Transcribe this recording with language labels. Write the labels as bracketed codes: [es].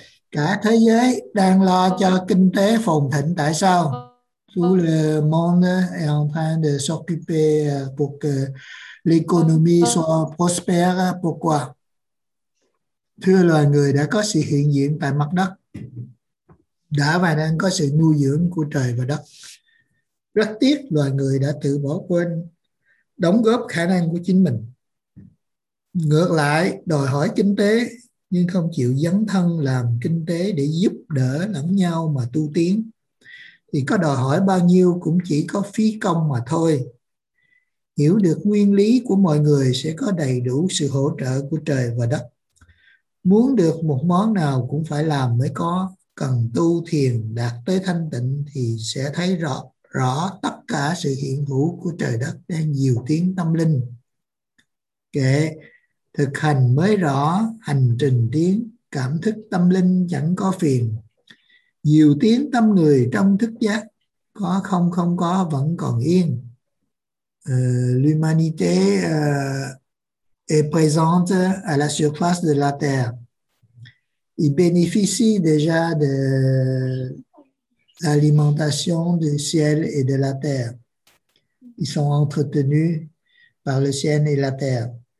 [vi] Cả thế giới đang lo cho kinh tế phồn thịnh, tại sao? [fr] Tout le monde est en train de s'occuper pour que l'économie soit prospère. Pourquoi? [vi] Thưa loài người đã có sự hiện diện tại mặt đất, đã và đang có sự nuôi dưỡng của trời và đất. Rất tiếc loài người đã tự bỏ quên đóng góp khả năng của chính mình. Ngược lại, đòi hỏi kinh tế nhưng không chịu dấn thân làm kinh tế để giúp đỡ lẫn nhau mà tu tiến, thì có đòi hỏi bao nhiêu cũng chỉ có phí công mà thôi. Hiểu được nguyên lý của mọi người sẽ có đầy đủ sự hỗ trợ của trời và đất. Muốn được một món nào cũng phải làm mới có. Cần tu thiền đạt tới thanh tịnh thì sẽ thấy rõ, rõ tất cả sự hiện hữu của trời đất đang diều tiến tâm linh. Kệ, thực hành mới rõ hành trình tiến, cảm thức tâm linh chẳng có phiền. Diều tiến tâm người trong thức giác, có không không có vẫn còn yên. [fr] L'humanité est présente à la surface de la terre. Il bénéficie déjà de l'alimentation du ciel et de la terre. Ils sont entretenus par le ciel et la terre.